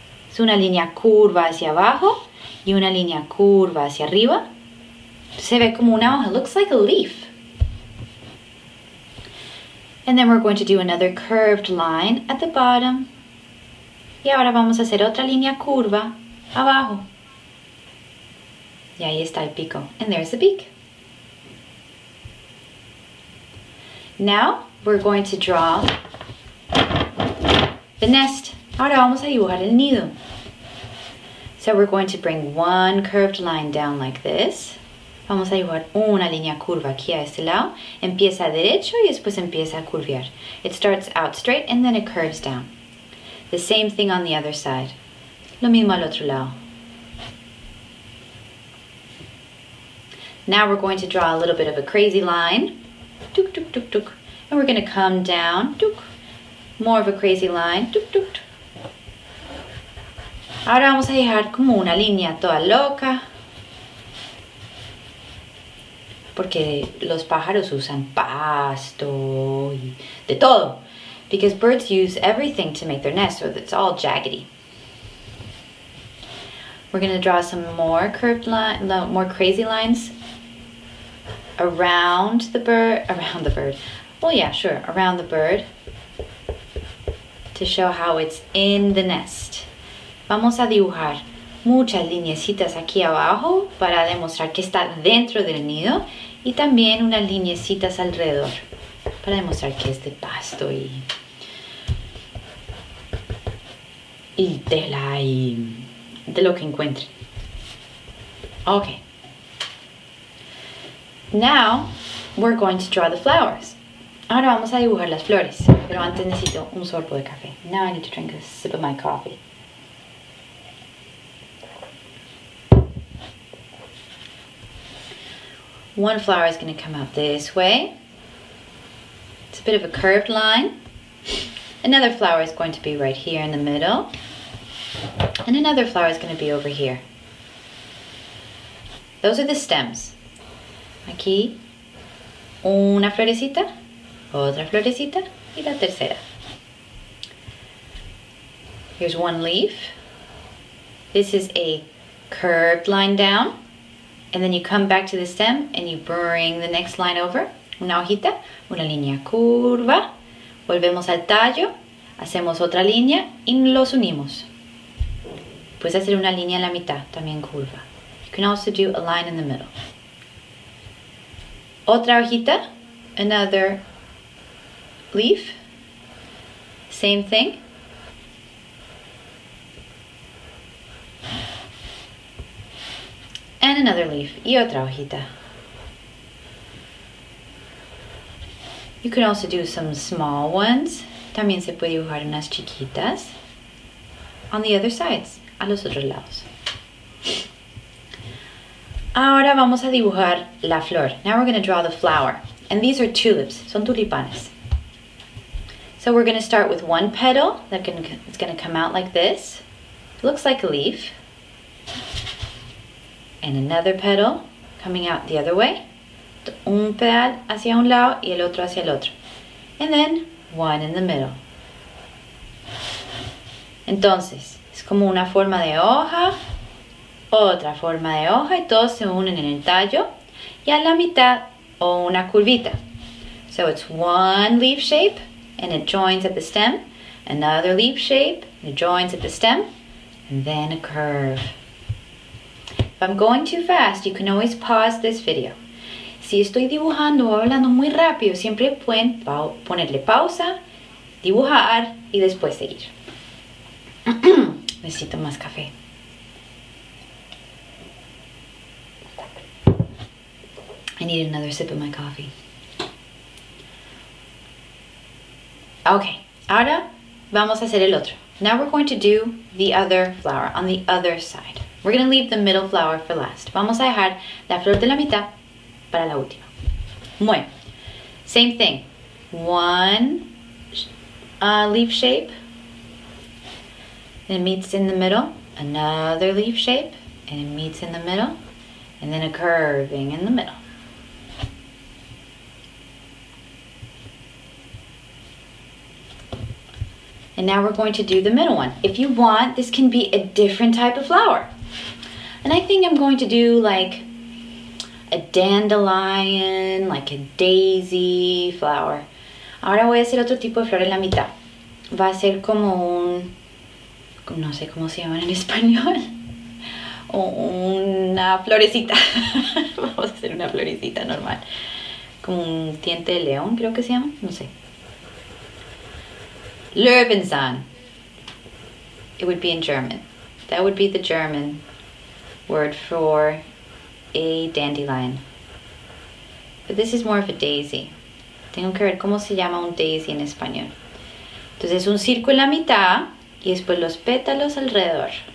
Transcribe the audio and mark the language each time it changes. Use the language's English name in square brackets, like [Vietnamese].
[Spanish] Es una línea curva hacia abajo y una línea curva hacia arriba. Se ve como una hoja. [English] It looks like a leaf. And then we're going to do another curved line at the bottom. [Spanish] Y ahora vamos a hacer otra línea curva abajo. Y ahí está el pico. [English] And there's the beak. Now we're going to draw the nest. [Spanish] Ahora vamos a dibujar el nido. [English] So we're going to bring one curved line down like this. [Spanish] Vamos a dibujar una línea curva aquí a este lado. Empieza derecho y después empieza a curviar. [English] It starts out straight and then it curves down. The same thing on the other side. [Spanish] Lo mismo al otro lado. [English] Now we're going to draw a little bit of a crazy line. Tuk, tuk, tuk, tuk. And we're going to come down. Tuk. More of a crazy line. Tuk, tuk, tuk. [Spanish] Ahora vamos a dejar como una línea toda loca. Porque los pájaros usan pasto y de todo. [English] Because birds use everything to make their nest, so it's all jaggedy. We're going to draw some more curved line, more crazy lines around the bird, Well, yeah, sure, around the bird to show how it's in the nest. [Spanish] Vamos a dibujar muchas linecitas aquí abajo para demostrar que está dentro del nido y también unas linecitas alrededor para demostrar que es de pasto y tela y de lo que encuentre. Okay. [English] Now, we're going to draw the flowers. [Spanish] Ahora vamos a dibujar las flores, pero antes necesito un sorbo de café. [English] Now I need to drink a sip of my coffee. One flower is going to come out this way. It's a bit of a curved line. Another flower is going to be right here in the middle. And another flower is going to be over here. Those are the stems. [Spanish] Aquí, una florecita, otra florecita, y la tercera. [English] Here's one leaf. This is a curved line down. And then you come back to the stem and you bring the next line over. [Spanish] Una hojita, una línea curva. Volvemos al tallo, hacemos otra línea y los unimos. Puedes hacer una línea en la mitad, también curva. [English] You can also do a line in the middle. [Spanish] Otra hojita, [English] another leaf. Same thing. And another leaf. [Spanish] Y otra hojita. [English] You can also do some small ones. [Spanish] También se puede dibujar unas chiquitas. [English] On the other sides. [Spanish] A los otros lados. Ahora vamos a dibujar la flor. [English] Now we're going to draw the flower. And these are tulips. [Spanish] Son tulipanes. [English] So we're going to start with one petal. It's going to come out like this. It looks like a leaf. And another petal coming out the other way. [Spanish] Un petal hacia un lado y el otro hacia el otro. [English] And then one in the middle. [Spanish] Entonces, es como una forma de hoja, otra forma de hoja y todos se unen en el tallo y a la mitad o una curvita. [English] So it's one leaf shape and it joins at the stem. Another leaf shape and it joins at the stem. And then a curve. If I'm going too fast, you can always pause this video. [Spanish] Si estoy dibujando o hablando muy rápido, siempre pueden ponerle pausa, dibujar y después seguir. Necesito más café. [English] I need another sip of my coffee. [Spanish] Okay, ahora vamos a hacer el otro. [English] Now we're going to do the other flower on the other side. We're going to leave the middle flower for last. [Spanish] Vamos a dejar la flor de la mitad para la última. Bueno, [English] same thing. One leaf shape. And it meets in the middle. Another leaf shape. And it meets in the middle. and then a curving in the middle. And now we're going to do the middle one. If you want, this can be a different type of flower. And I think I'm going to do like a dandelion, like a daisy flower. [Spanish] Ahora voy a hacer otro tipo de flor en la mitad. Va a ser como un, no sé cómo se llaman en español. Una florecita. Vamos a hacer una florecita normal. Como un diente de león, creo que se llama, no sé. [English] Löwenzahn. It would be in German. That would be the German word for a dandelion. But this is more of a daisy. [Spanish] Tengo que ver cómo se llama un daisy en español. Entonces un círculo en la mitad y después los pétalos alrededor.